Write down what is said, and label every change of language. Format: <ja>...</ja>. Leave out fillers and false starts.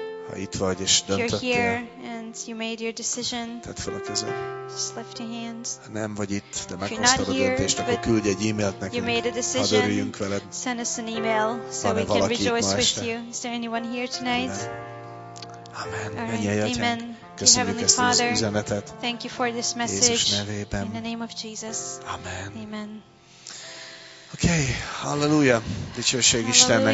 <hu>Ha itt vagy és döntöttél,</hu> <en>you made your decision.</en> <hu>Tedd fel a kezed.</hu> <en>Just lift your hands.</en> <hu>Ha nem vagy itt, de meghoztad a döntést, akkor küldj egy e-mailt nekünk.</hu> <en>You made a decision.</en> <hu>Hadd örüljünk veled.</hu> <en>Send us an email so we can rejoice with you. Is there anyone here tonight? Amen. Amen.</en> <hu>Köszönjük ezt az üzenetet.</hu> <en>Thank you for this message.</en> <hu>Jézus nevében.</hu> <en>In the name of Jesus. Amen. Amen. Okay.</en> <hu>Hallelujah. Dicsőség Istennek.</hu>